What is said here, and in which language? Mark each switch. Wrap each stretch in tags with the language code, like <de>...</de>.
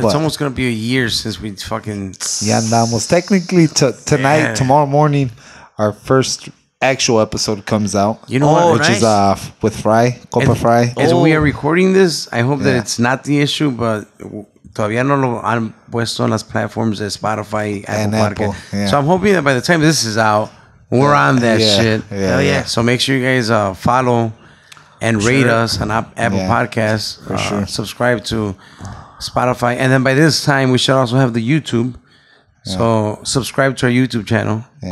<en>It's almost going to be a year since we fucking. Yeah, and almost. Technically, tonight, tomorrow morning, our first actual episode comes out. You know what? Which is with Fry, Copa Fry. As we are recording this, I hope that it's not the issue, but.</en> <es>Todavía no lo han puesto en las plataformas de Spotify</es> <en>and Apple. Yeah. So I'm hoping that by the time this is out, we're on that shit. Yeah. So make sure you guys follow and rate us on Apple Podcasts. For sure. Subscribe to Spotify. And then by this time, we should also have the YouTube. So subscribe to our YouTube channel. Yeah.</en>